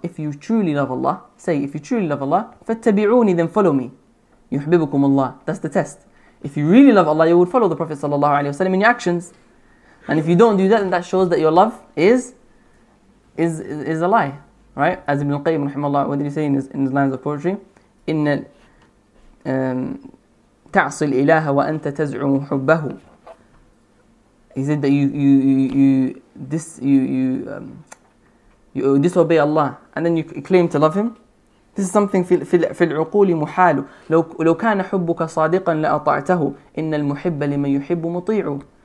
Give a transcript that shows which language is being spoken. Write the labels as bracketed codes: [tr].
[en] If you truly love Allah, say, if you truly love Allah, fattabi'uni, then follow me. [ar] Yuhibbukum Allah. [en] That's the test. If you really love Allah, you would follow the Prophet sallallahu alaihi wasallam in your actions. And if you don't do that, then that shows that your love is a lie, right? As Ibn Qayyim rahimahullah, what did he say in his lines of poetry? [ar] إن تعصي الإله وأنت تزعم حبه. [en] He said that you disobey Allah and then you claim to love Him. This is something [ar] في العقول محال. لو كان حبك صادقا لأطعته. إن المحب لمن يحب مطيع.